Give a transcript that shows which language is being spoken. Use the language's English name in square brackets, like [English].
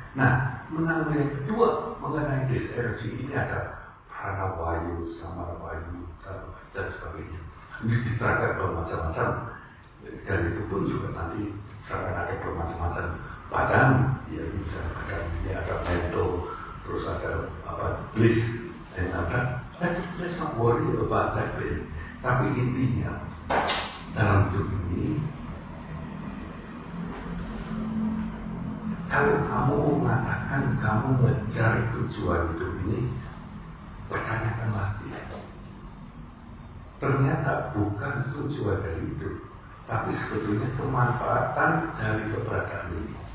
[Indonesian] Nah, menanggulangi yang kedua mengenai [English] this energy [Indonesian] ini ada pranavayu, samaravayu, dan sebagainya. Ini diterangkan bermacam-macam. Dan itu pun juga nanti sekarang ada bermacam-macam badan, ya bisa ada mental, terus ada apa bliss dan apa. [English] Let's not worry about that bit. [Indonesian] Tapi intinya dalam hidup ini, kalau kamu mengatakan kamu mencari tujuan hidup ini, pertanyakanlah dia. Ternyata bukan tujuan dari hidup, tapi sebetulnya kemanfaatan dari keberadaan ini.